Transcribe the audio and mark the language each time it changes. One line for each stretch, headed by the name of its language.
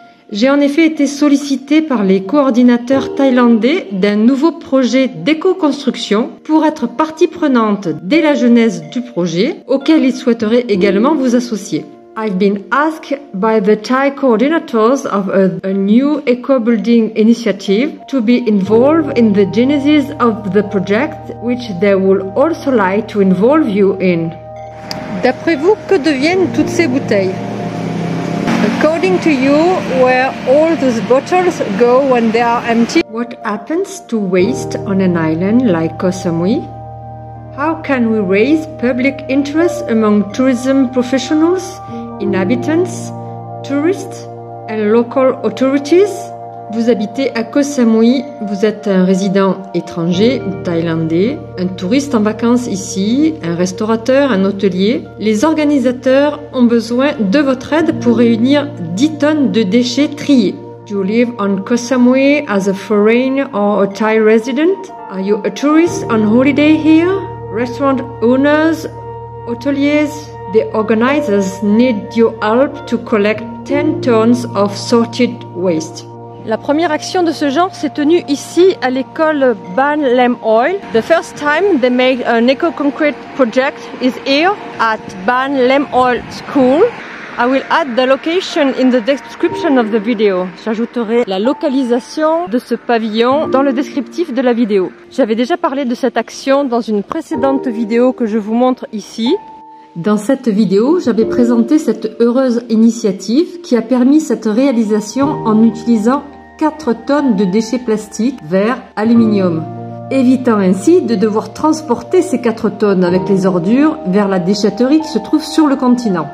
French: J'ai en effet été sollicitée par les coordinateurs thaïlandais d'un nouveau projet d'éco-construction pour être partie prenante dès la genèse du projet, auquel ils souhaiteraient également vous associer.
English: I've been asked by the Thai coordinators of a new eco-building initiative to be involved in the genesis of the project, which they would also like to involve you in.
French: D'après vous, que deviennent toutes ces bouteilles?
English: According to you, where all those bottles go when they are empty? What happens to waste on an island like Koh Samui? How can we raise public interest among tourism professionals, inhabitants, tourists and local authorities?
French: Vous habitez à Koh Samui, vous êtes un résident étranger ou thaïlandais, un touriste en vacances ici, un restaurateur, un hôtelier. Les organisateurs ont besoin de votre aide pour réunir 10 tonnes de déchets triés.
English: Do you live on Koh Samui as a foreign or a Thai resident? Are you a tourist on holiday here? Restaurant owners, hôteliers, the organizers need your help to collect 10 tons of sorted waste.
French: La première action de ce genre s'est tenue ici à l'école Ban Lam Oil.
English: The first time they made an eco-concrete project is here at Ban Lam Oil School. I will add the location in the description of the video.
French: J'ajouterai la localisation de ce pavillon dans le descriptif de la vidéo. J'avais déjà parlé de cette action dans une précédente vidéo que je vous montre ici. Dans cette vidéo, j'avais présenté cette heureuse initiative qui a permis cette réalisation en utilisant 4 tonnes de déchets plastiques, verre, aluminium, évitant ainsi de devoir transporter ces 4 tonnes avec les ordures vers la déchetterie qui se trouve sur le continent.